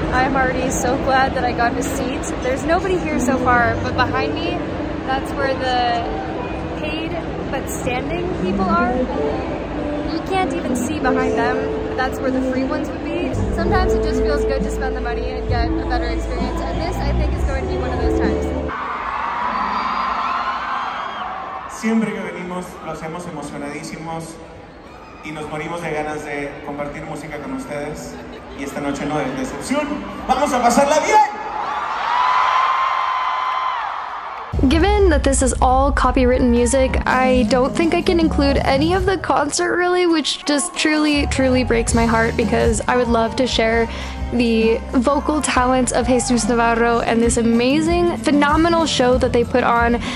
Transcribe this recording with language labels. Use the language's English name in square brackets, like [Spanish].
[English] I'm already so glad that I got a seat. There's nobody here so far, but behind me, that's where the paid but standing people are. Can't even see behind them, but that's where the free ones would be. Sometimes it just feels good to spend the money and get a better experience, and this I think is going to be one of those times. [Spanish] Siempre que venimos lo hacemos emocionadísimos y nos morimos de ganas de compartir música con ustedes, y esta noche no es decepción. Vamos a pasarla bien. [English] Given that this is all copywritten music, I don't think I can include any of the concert really, which just truly, truly breaks my heart because I would love to share the vocal talents of Jesus Navarro and this amazing, phenomenal show that they put on.